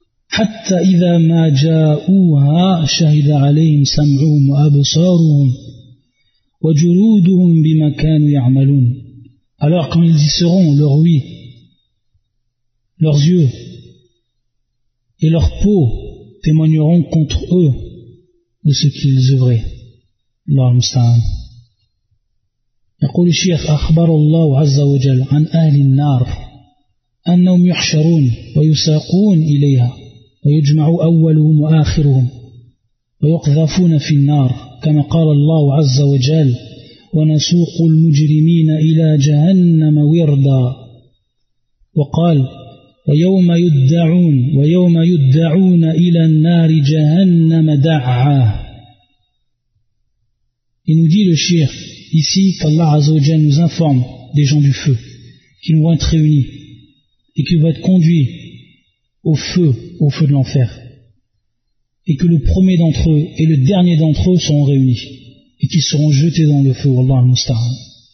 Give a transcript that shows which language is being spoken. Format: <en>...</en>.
<ar>حَتَّى إِذَا مَا جَاءُوهَا شَهِدَ عَلَيْهِمْ سَمْعُهُمْ وَأَبْصَارُهُمْ وَجُلُودُهُمْ بِمَا كَانُوا يَعْمَلُونَ.</ar> <fr>Alors quand ils y seront, leur oui, leurs yeux et leur peau témoigneront contre eux de ce qu'ils œuvraient.</fr> <ar>Allah musta'an. يقول الشيخ أخبر الله عز وجل عن أهل النار أنهم يحشرون ويساقون إليها ويجمع أولهم وآخرهم ويقذفون في النار كما قال الله عز وجل ونسوق المجرمين إلى جهنم وردا وقال ويوم يدعون ويوم يدعون إلى النار جهنم دعا.</ar> <fr>Il nous dit le shir ici qu'Allah Azzawajal nous informe des gens du feu qui vont être réunis et qui vont être conduits au feu de l'enfer, et que le premier d'entre eux et le dernier d'entre eux seront réunis et qui seront jetés dans le feu. Allah Al-Musta'an.</fr>